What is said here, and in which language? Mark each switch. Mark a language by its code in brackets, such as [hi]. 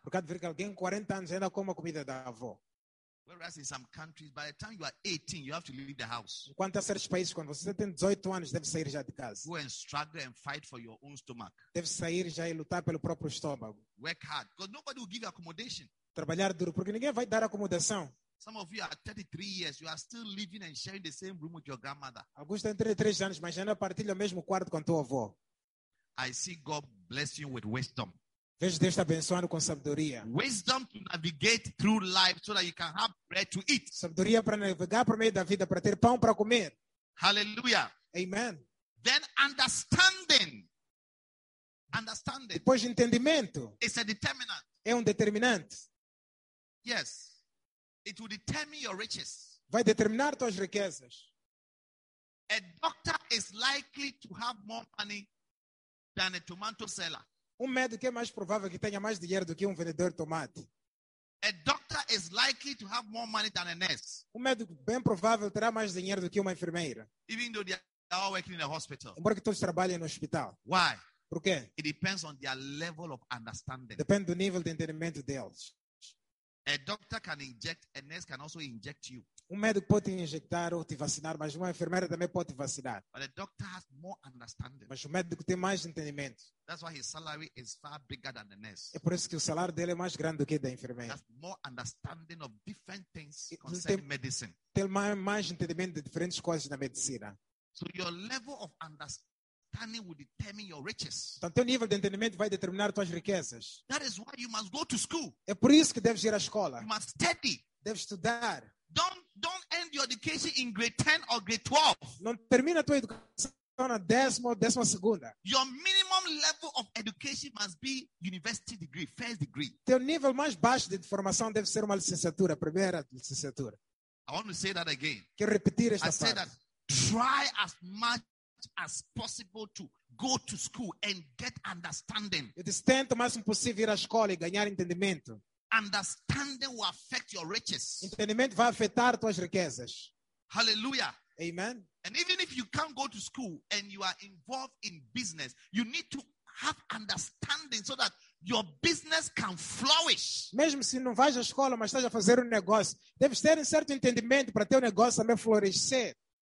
[pt] Porque há de ver que alguém com 40 anos ainda come a comida da avó. [en] Whereas in some countries, by the time you are 18, you have to leave the house. [pt] Enquanto há certos países, quando você tem 18 anos, deve sair já de casa. [en] Go and struggle and fight for your own stomach. [pt] Deve sair já e lutar pelo próprio estômago. [en] Work hard, because nobody will give you accommodation. [pt] Trabalhar duro, porque ninguém vai dar acomodação. [en] Some of you are 33 years. You are still living and sharing the same room with your grandmother. [pt] Alguns têm 33 anos, mas ainda partilham o mesmo quarto com tua avó. [en] I see God bless you with wisdom. [pt] Vejo Deus te abençoando com sabedoria. [en] Wisdom to navigate through life so that you can have bread to eat. [pt] Sabedoria para navegar por meio da vida, para ter pão para comer. [en] Hallelujah. Amen. Then understanding. Understanding. [pt] Depois entendimento. [en] It's a determinant. [pt] É determinante. [en] Yes. It will determine your riches. [pt] Vai determinar tuas riquezas. [en] A doctor is likely to have more money than a tomato seller. [pt] Médico é mais provável que tenha mais dinheiro do que vendedor de tomate. [en] A doctor is likely to have more money than a nurse. [pt] Médico bem provável terá mais dinheiro do que enfermeira. [en] Even though they are all working in a hospital. [pt] Embora que todos trabalhem no hospital. [en] Why? [pt] Por quê? [en] It depends on their level of understanding. [pt] Depende do nível de entendimento deles. [en] A doctor can inject, a nurse can also inject you. [pt] Médico pode injetar ou te vacinar, mas uma enfermeira também pode te vacinar. [en] But a doctor has more understanding. [pt] Mas médico tem mais entendimento. [en] That's why his salary is far bigger than the nurse. [pt] É por isso que o salário dele é mais grande do que da enfermeira. [en] That's more understanding of different things concerning medicine. [pt] Tem mais entendimento de diferentes coisas na medicina. [en] So your level of understanding will determine your riches. [pt] Então, teu nível de entendimento vai determinar tuas riquezas. [en] That is why you must go to school. [pt] É por isso que deves ir à escola. [en] You must study. [pt] Deves estudar. [en] Don't your education in grade 10 or grade 12. [pt] Não termina a tua educação na décima segunda. [en] Your minimum level of education must be university degree, first degree. [pt] Teu nível mais baixo de formação deve ser uma licenciatura, primeira licenciatura. [en] I want to say that again. [pt] Quero repetir esta frase. [en] I said that try as much as possible to go to school and get understanding. [pt] Eu disse, tenta o máximo possível ir à escola e ganhar entendimento. [en] Understanding will affect your riches. [pt] Entendimento vai afetar tuas riquezas. [en] Hallelujah. Amen. And even if you can't go to school and you are involved in business, you need to have understanding so that your business can flourish. [pt] Mesmo se não vais à escola, mas estás a fazer negócio, deves ter certo entendimento para teu negócio também florescer.